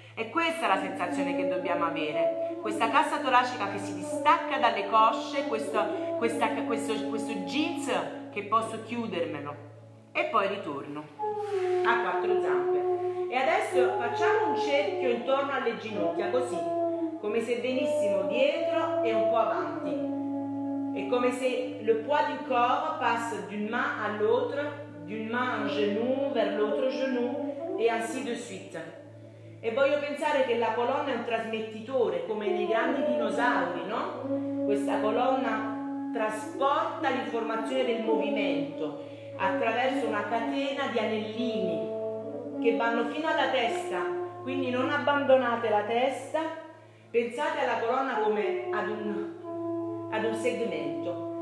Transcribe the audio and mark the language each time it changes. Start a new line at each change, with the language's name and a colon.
Italian: E questa è la sensazione che dobbiamo avere, questa cassa toracica che si distacca dalle cosce, questo jeans che posso chiudermelo e poi ritorno a quattro zampe. E adesso facciamo un cerchio intorno alle ginocchia, così, come se venissimo dietro e un po' avanti. E come se
French: le poids du corps passe d'une main à l'autre, d'une main à un genou vers l'autre genou e ainsi de suite.
Italian: E voglio pensare che la colonna è un trasmettitore, come nei grandi dinosauri, no? Questa colonna trasporta l'informazione del movimento attraverso una catena di anellini che vanno fino alla testa, quindi non abbandonate la testa, pensate alla colonna come ad un segmento.